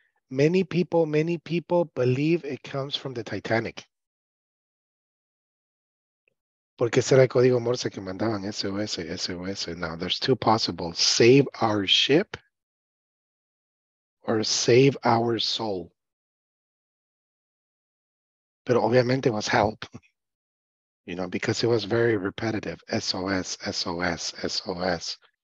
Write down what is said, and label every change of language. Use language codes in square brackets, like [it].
[en] Many people believe it comes from the Titanic. [es] Porque ese era el código Morse que mandaban, SOS, SOS. [en] Now, there's two possible, save our ship or save our soul. [es] Pero obviamente [en] was help, you know, because it was very repetitive, SOS, SOS, SOS.